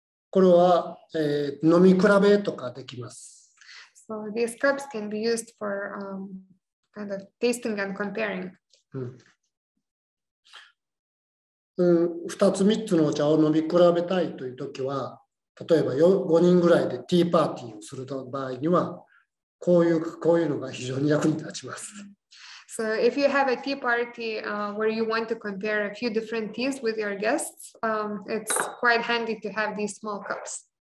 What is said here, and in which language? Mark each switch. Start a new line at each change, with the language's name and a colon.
Japanese: これは、飲み比べとかできます。
English: So these cups can be used for kind of tasting and comparing.
Japanese: 2つ3つのお茶を飲み比べたいという時は、例えば5人ぐらいでティーパーティーをする場合には、こういうのが非常に役に立ちます。
English: So if you have a tea party where you want to compare a few different teas with your guests, it's quite handy to have these small cups.